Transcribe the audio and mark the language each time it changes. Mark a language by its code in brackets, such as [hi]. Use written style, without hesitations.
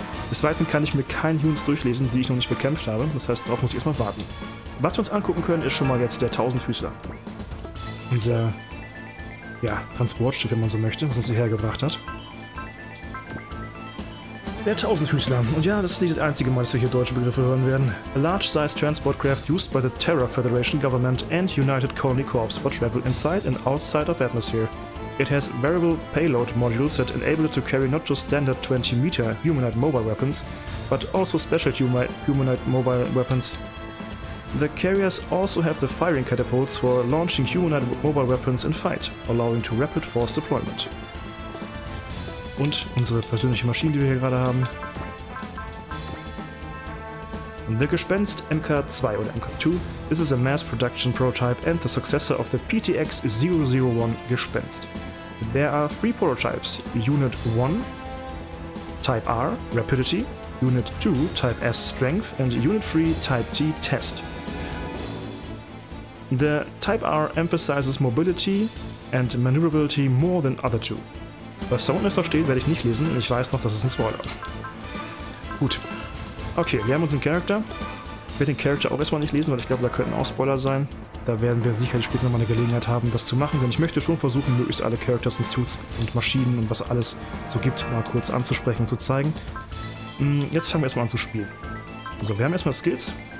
[de] Des Weiteren kann ich mir keine Units durchlesen, die ich noch nicht bekämpft habe. Das heißt, darauf muss ich erstmal warten. Was wir uns angucken können, ist schon mal jetzt der 1000-Füßler. Unser Transportstück, wenn man so möchte, was uns hierher gebracht hat. Der Tausendfüßler. Und ja, das ist nicht das einzige Mal, dass wir hier deutsche Begriffe hören werden. [en] A large-sized transport craft used by the Terra Federation Government and United Colony Corps for travel inside and outside of atmosphere. It has variable payload modules that enable it to carry not just standard 20-meter humanoid mobile weapons, but also special humanoid mobile weapons. The carriers also have the firing catapults for launching humanoid mobile weapons in fight, allowing to rapid force deployment. [de] Und unsere persönliche Maschine, die wir hier gerade haben. [en] The Gespenst MK2 oder MK2. This is a mass production prototype and the successor of the PTX-001 Gespenst. There are three prototypes, Unit 1, Type R, Rapidity, Unit 2, Type S, Strength, and Unit 3, Type T, Test. The Type R emphasizes mobility and maneuverability more than other two. [de] Was da unten noch steht, werde ich nicht lesen, ich weiß noch, das ist ein Spoiler. Gut. Okay, wir haben unseren Charakter. Ich werde den Charakter auch erstmal nicht lesen, weil ich glaube, da könnten auch Spoiler sein. Da werden wir sicherlich später nochmal eine Gelegenheit haben, das zu machen, denn ich möchte schon versuchen, möglichst alle Characters und Suits und Maschinen und was alles so gibt, mal kurz anzusprechen und zu zeigen. Jetzt fangen wir erstmal an zu spielen. So, wir haben erstmal Skills.